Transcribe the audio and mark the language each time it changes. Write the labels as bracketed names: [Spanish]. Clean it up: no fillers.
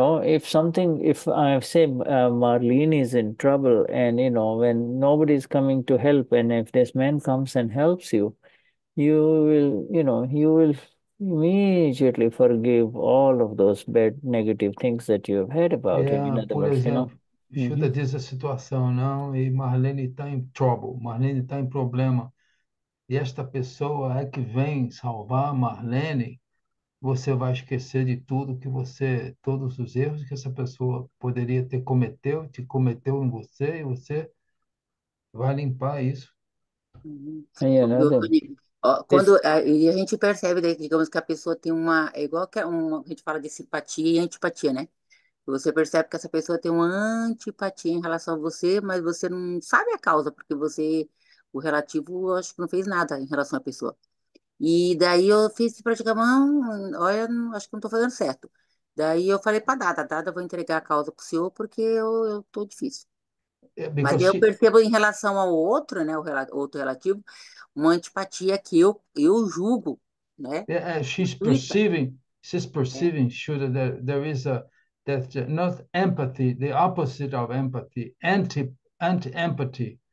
[English] If I say Marlene is in trouble and when nobody is coming to help and if this man comes and helps you, you will immediately forgive all of those bad negative things that you have heard about him, in other [Portuguese] Por [English] words, [Portuguese] exemplo, Shuddha diz a situação, não, e Marlene está em trouble, Marlene está em problema. E esta pessoa é que vem salvar Marlene. Você vai esquecer de tudo que você, todos os erros que essa pessoa poderia ter cometeu, te cometeu em você, e você vai limpar isso. Quando e a gente percebe, digamos, que a pessoa tem uma, igual que a gente fala de simpatia e antipatia, né? Você percebe que essa pessoa tem uma antipatia em relação a você, mas você não sabe a causa, porque você, o relativo, acho que não fez nada em relação à pessoa. E daí eu fiz praticamente, olha, acho que não estou fazendo certo. Daí eu falei para Dada, vou entregar a causa para o senhor, porque eu estou difícil. Mas eu percebo em relação ao outro, né, o outro relativo, uma antipatia que eu julgo, né, gratuita. [English] She's perceiving, Shuddha, that there is a that not empathy, the opposite of empathy, anti-empathy.